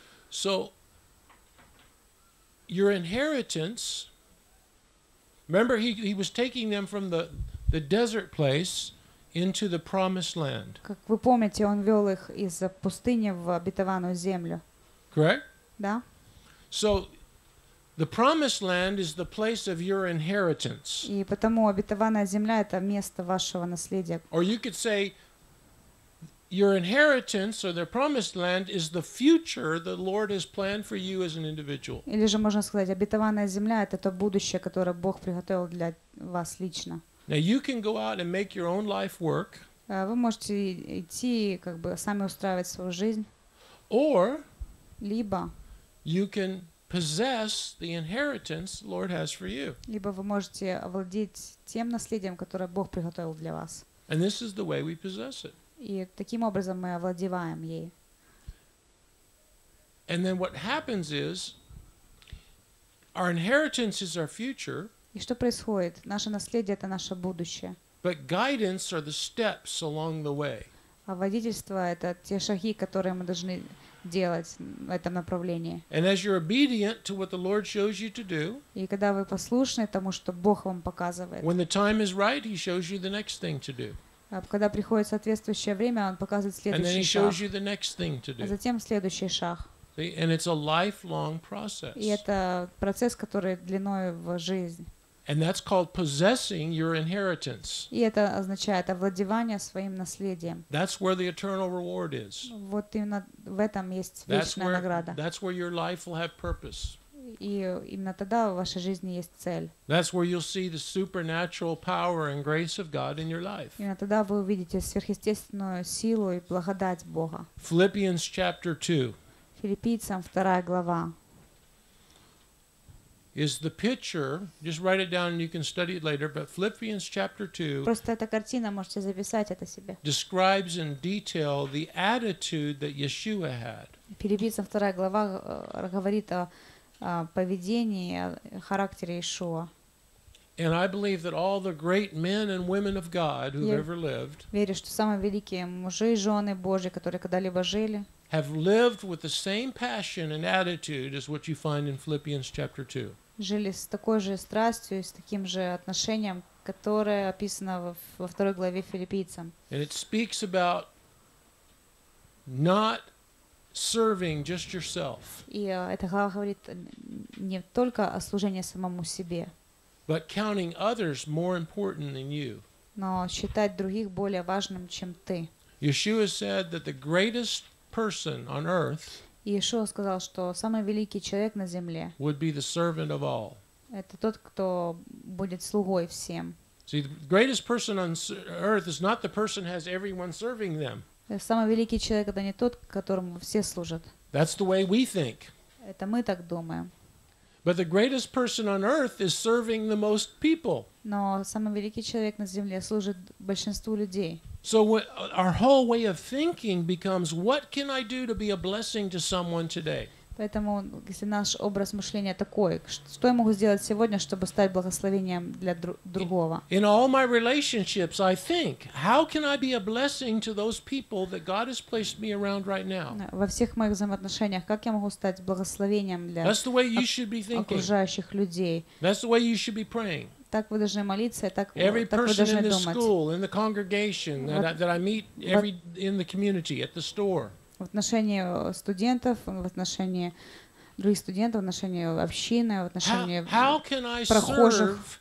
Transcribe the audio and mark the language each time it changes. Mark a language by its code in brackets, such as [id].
[en] So, your inheritance, remember he was taking them from the desert place into the promised land. [ru] Как вы помните, он вёл их из пустыни в обетованную землю. [en] Correct? [ru] Да. [en] So, the promised land is the place of your inheritance. [ru] И потому обетованная земля — это место вашего наследия. [en] Or you could say your inheritance or the promised land is the future the Lord has planned for you as an individual. [ru] Или же можно сказать, обетованная земля — это то будущее, которое Бог приготовил для вас лично. [en] Now you can go out and make your own life work. [ru] Вы можете идти как бы сами устраивать свою жизнь. [en] Or [ru] либо [en] you can possess the inheritance the Lord has for you. [ru] Либо вы можете овладеть тем наследием, которое Бог приготовил для вас. [en] And this is the way we possess it. [ru] И таким образом мы овладеваем ей. [en] And then what happens is our inheritance is our future. [ru] И что происходит? Наше наследие — это наше будущее. [en] But guidance are the steps along the way. [ru] А водительство — это те шаги, которые мы должны делать в этом направлении. [en] And as you're obedient to what the Lord shows you to do, [ru] и когда вы послушны тому, что Бог вам показывает, [en] when the time is right, He shows you the next thing to do. [ru] Когда приходит соответствующее время, Он показывает следующий [en] and then He [ru] шаг. [en] Shows you the next thing to do. [ru] А затем следующий шаг. [en] See? And it's a lifelong process. [ru] И это процесс, который длиной в жизнь. [en] And that's called possessing your inheritance. [ru] И это означает овладевание своим наследием. [en] That's where the eternal reward is. [ru] Вот именно в этом есть вечная награда. [en] That's where your life will have purpose. [ru] И именно тогда в вашей жизни есть цель. [en] That's where you'll see the supernatural power and grace of God in your life. [ru] Именно тогда вы увидите сверхъестественную силу и благодать Бога. [en] Philippians chapter 2. [ru] Филиппийцам 2 глава. [en] Is the picture, just write it down and you can study it later, but Philippians chapter 2. [ru] Просто эта картина, можете записать это себе. [en] Describes in detail the attitude that Yeshua had. [ru] Филиппийцам 2 глава говорит о поведении, характере Иешуа. [en] And I believe that all the great men and women of God who've ever lived. [ru] Верю, что самые великие мужи и жены Божьи, которые когда-либо жили, [en] have lived with the same passion and attitude as what you find in Philippians chapter 2. [ru] Жили с такой же страстью и с таким же отношением, которое описано во второй главе Филиппийцам. [en] And it speaks about not serving just yourself. [ru] И эта глава говорит не только о служении самому себе, [en] but counting others more important than you. [ru] Но считать других более важным, чем ты. [en] Yeshua said that the greatest person on earth. [ru] Иешуа сказал, что самый великий человек на земле [en] would be the servant of all. [ru] Это тот, кто будет слугой всем. [en] See, the greatest person on earth is not the person who has everyone serving them. [ru] Самый великий человек — это не тот, которому все служат. [en] That's the way we think. [ru] Это мы так думаем. [en] But the greatest person on earth is serving the most people. [ru] Но самый великий человек на земле служит большинству людей. [en] So our whole way of thinking becomes, what can I do to be a blessing to someone today? [ru] Поэтому если наш образ мышления такой, что я могу сделать сегодня, чтобы стать благословением для другого? [en] In all my relationships, I think, how can I be a blessing to those people that God has placed me around right now? [ru] Во всех моих взаимоотношениях, как я могу стать благословением для окружающих людей? [en] That's the way you should be thinking. [ru] Так вы должны молиться, так вы должны думать. [en] School, in the congregation that I meet every in the community at the store. [ru] В отношении студентов, в отношении других студентов, в отношении общины, в отношении прохожих.